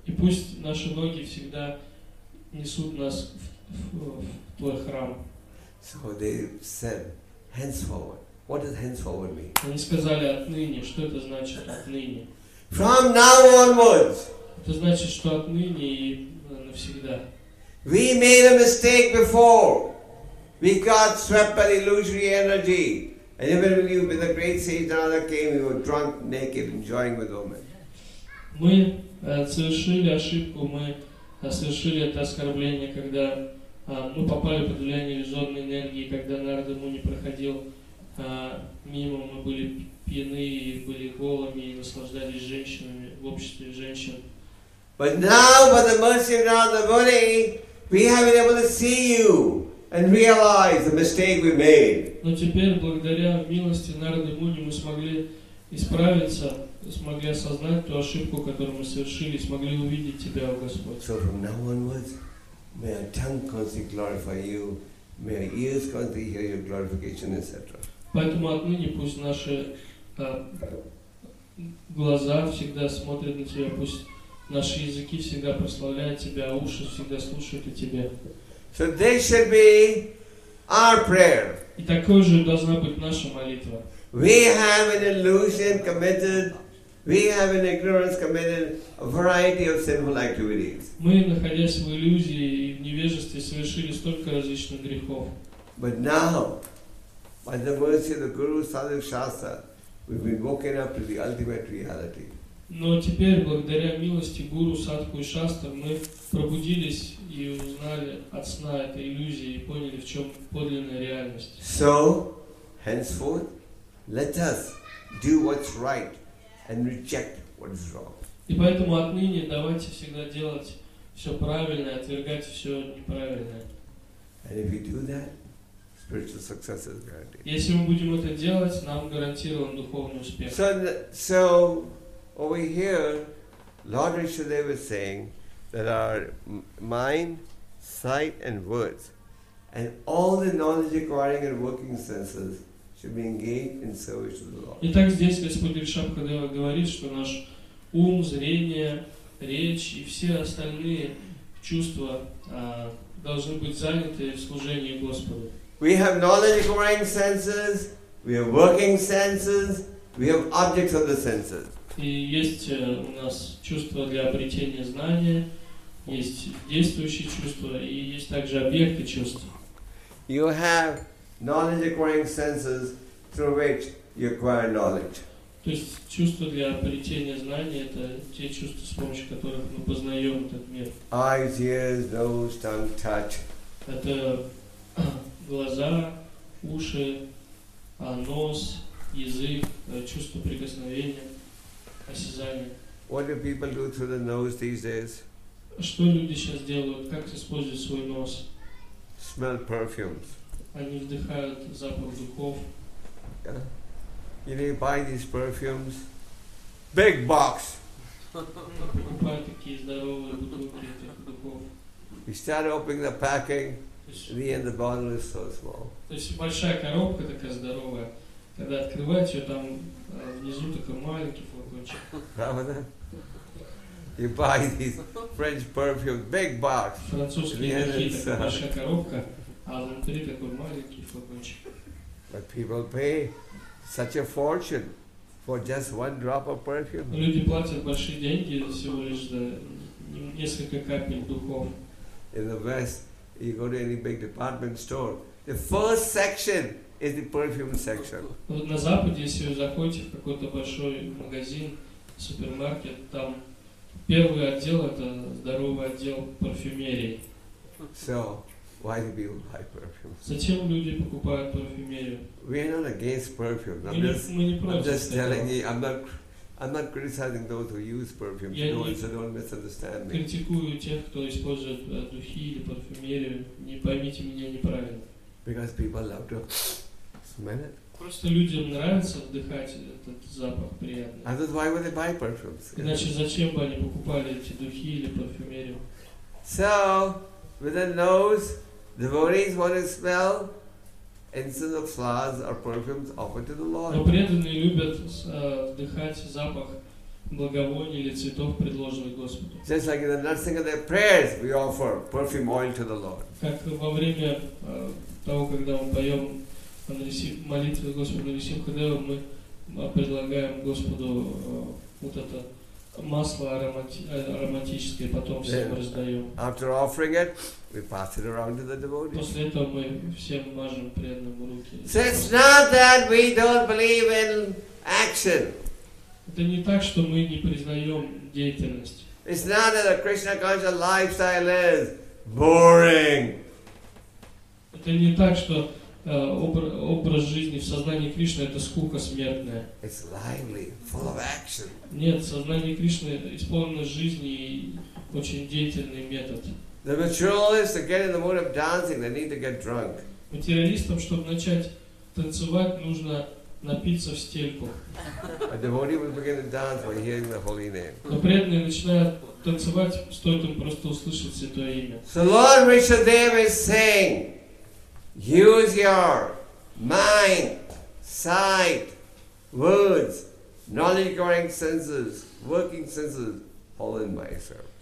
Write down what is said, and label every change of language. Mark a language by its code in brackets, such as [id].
[ru] И пусть наши ноги всегда несут нас в Твой храм. [en] So they said, henceforward. What does henceforward mean? [ru] Они сказали отныне. Что это значит отныне? [en] From now onwards. [ru] Это значит, что отныне и навсегда. [en] We made a mistake before. We got swept by illusory energy. And even when you, when the great sage Narada came, you were drunk, naked, enjoying with women. [ru] Мы совершили ошибку, мы совершили это оскорбление, когда мы попали под влияние иллюзорной энергии, когда Нарада Муни проходил мимо, мы были пьяны и были голыми и наслаждались женщинами в обществе женщин. [en] But now, by the mercy of Narada Muni, we have been able to see you and realize the mistake we made. [ru] Но теперь, благодаря милости Нарады Муни, мы смогли исправиться, смогли осознать ту ошибку, которую мы совершили, смогли увидеть Тебя, о Господь. [en] So from now onwards, may our tongue constantly glorify You, may our ears constantly hear Your glorification, etc. [ru] Поэтому отныне пусть наши глаза всегда смотрят на Тебя, пусть наши языки всегда прославляют Тебя, уши всегда слушают о Тебе. [en] So this should be our prayer. [ru] И такой же должна быть наша молитва. [en] We have an illusion committed, we have an ignorance committed, a variety of sinful activities. [ru] Мы, находясь в иллюзии и в невежестве, совершили столько различных грехов. [en] But now, by the mercy of the Guru Sadhu Shastra, we've been woken up to the ultimate reality. [ru] Но теперь, благодаря милости Гуру Садху и Шастр, мы пробудились и узнали от сна этой иллюзии и поняли, в чем подлинная реальность. [en] So, henceforth, let us do what's right and reject what's wrong. [ru] И поэтому отныне давайте всегда делать все правильное, отвергать все неправильное. [en] And if we do that, spiritual success is guaranteed. [ru] Если мы будем это делать, нам гарантирован духовный успех. [en] So, over here, Lord Rishadeva is saying that our mind, sight, and words, and all the knowledge acquiring and working senses should be engaged in service to the Lord. [ru] Итак, здесь Господь Ришабхадева говорит, что наш ум, зрение, речь и все остальные чувства должны быть заняты в служении Господу. [en] We have knowledge acquiring senses, we have working senses, we have objects of the senses. [ru] И есть у нас чувство для обретения знания, есть действующие чувства, и есть также объекты чувства. [en] You have knowledge acquiring senses through which you acquire knowledge. [ru] То есть чувство для обретения знания – это те чувства, с помощью которых мы познаем этот мир. [en] Eyes, ears, nose, tongue, touch. [ru] Это глаза, уши, нос, язык, чувство прикосновения, осязание. [en] What do people do through the nose these days? [ru] Что люди сейчас делают? Как используют свой нос? [en] Smell perfumes. [ru] Они вдыхают запах духов. [en] Yeah. You know, you buy these perfumes. Big box. [ru] Покупают такие здоровые бутылки этих духов. [en] You start opening the packing. In the end, the bottle is so small. [ru] То есть большая коробка такая здоровая. Когда открываете, там внизу такой маленький флакончик. Правда? [en] You buy these French perfumes, big box. [ru] Французские духи, такая большая коробка, а внутри такой маленький флакончик. [en] But people pay such a fortune for just one drop of perfume. [ru] Люди платят большие деньги всего лишь за несколько капель духов. [en] In the West, you go to any big department store, the first section is the perfume section. [ru] Вот на Западе, если вы заходите в какой-то большой магазин, супермаркет, там первый отдел – это здоровый отдел парфюмерии. [en] So, why do people buy perfume? [ru] Зачем люди покупают парфюмерию? [en] We are not against perfume. I'm not criticizing those who use perfume. [ru] Я [en] no, so don't misunderstand me. [ru] Критикую тех, кто использует духи или парфюмерию. Не поймите меня неправильно. [en] Because people love to smell it. [ru] Просто людям нравится вдыхать этот запах приятный. [en] And that's why would they buy perfumes? [ru] Иначе зачем бы они покупали эти духи или парфюмерию? [en] So, with the nose, devotees want to smell instead of flowers or perfumes offered to the Lord. [ru] Но преданные любят вдыхать запах благовоний или цветов, предложенных Господу. [en] Just like in the nursing of their prayers, we offer perfume oil to the Lord. [ru] Как во время того, когда мы поем молитвы Господу Нарисим Хадеву, мы предлагаем Господу вот это масло ароматическое, потом всем раздаем. [en] After offering it, we pass it around to the devotees. [ru] После этого мы всем мажем преданным руки. [en] So it's not that we don't believe in action. [ru] Это не так, что мы не признаем деятельность. [en] It's not that a Krishna conscious lifestyle is boring. [ru] Это не так, что образ жизни в сознании Кришны – это скука смертная. [en] It's lively, full of action. [ru] Нет, сознание Кришны исполнено жизни и очень деятельный метод. [en] The materialists are getting in the mood of dancing, they need to get drunk. [ru] Материалистам, чтобы начать танцевать, нужно напиться в стельку. [en] A devotee will begin to dance by hearing the holy name. [ru] Но преданные начинают танцевать, стоит им просто услышать святое имя. [en] So Lord Vishnudeva is saying, use your mind, sight, words, knowledge-acquiring senses, working senses, all in my service.